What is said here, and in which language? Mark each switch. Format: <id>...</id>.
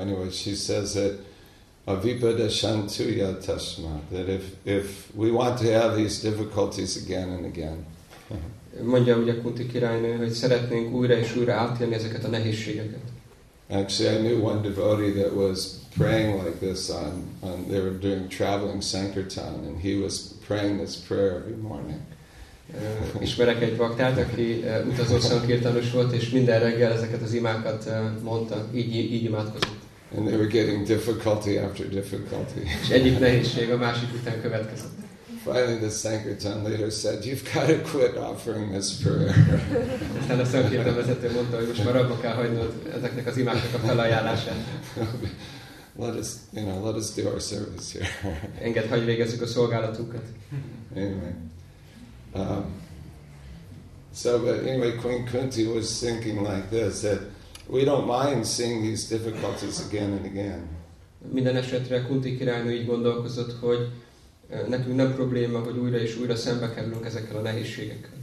<en>Anyway, she says that</en> <sa>avipada shantuya tasma,</sa> <en>that if we want to have these difficulties again and again.</en> <hu>Mondja ugye Kunti királynő, hogy szeretnénk újra és újra átélni ezeket a nehézségeket.</hu> <en>Actually, I knew one devotee that was praying like this on they were doing traveling sankirtan, and he was praying this prayer every morning.</en> <hu>Ismerek egy baktát, aki utazó szankirtanos volt, és minden reggel ezeket az imákat mondta, így imádkozott.</hu> <en>And they were getting difficulty after difficulty.</en> <hu>És egyik nehézség a másik után következett.</hu> <en>Finally, the sankirtan leader said, "You've got to quit offering this prayer."</en> <hu>Aztán a sankirtan vezető mondta, hogy most már abba kell hagynod ezeknek az imáknak a felajánlását.</hu> <en>Let us do our service here.</en> <hu>Engedd, hogy végezzük a szolgálatunkat.</hu> <en>Anyway. But Queen Kunti was thinking like this, that we don't mind seeing these difficulties again and again.</en> <hu>Minden esetre Kunti királynő így gondolkozott, hogy nekünk nem probléma, hogy újra és újra szembe kerülünk ezekkel a nehézségekkel.</hu>